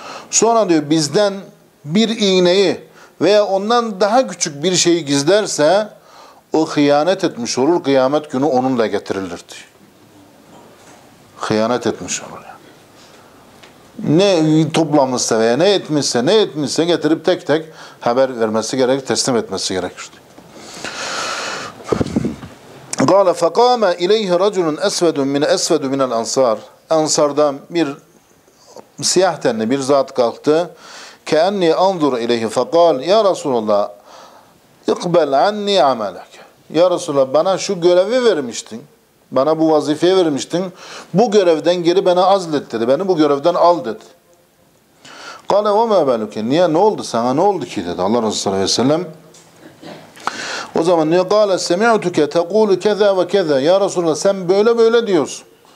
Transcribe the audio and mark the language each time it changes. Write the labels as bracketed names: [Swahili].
[Turkish] Sonra diyor bizden bir iğneyi veya ondan daha küçük bir şeyi gizlerse o hıyanet etmiş olur. Kıyamet günü onunla getirilir diyor. Hıyanet etmiş olur. Ne toplamışsa veya ne etmişse ne etmişse getirip tek tek haber vermesi gerekir, teslim etmesi gerekir. [Arabic] قَالَ فَقَامَ اِلَيْهِ رَجُلٌ اَسْوَدٌ مِنَ اَسْوَدُ مِنَ الْاَنْصَارِ [Turkish] Ensardan bir siyah tenli bir zat kalktı. [Arabic] كَاَنِّي اَنْظُرُ اِلَيْهِ فَقَالْ يَا رَسُولَ اللّٰهِ اِقْبَلْ عَنِّي عَمَلَكَ [Turkish] Ya Resulallah bana şu görevi vermiştin. Bana bu vazifeyi vermiştin. Bu görevden geri bana azlet dedi. Beni bu görevden al dedi. [Arabic] قَالَ وَمَا بَلُكَ [Turkish] Niye ne oldu sana ne oldu ki dedi Allah Resulü sallallahu aleyhi ve sellem. O zaman diyor [Arabic] قَالَ سَمِعُتُكَ تَقُولُ كَذَا وَكَذَا [Turkish] Ya Resulallah sen böyle böyle diyorsun.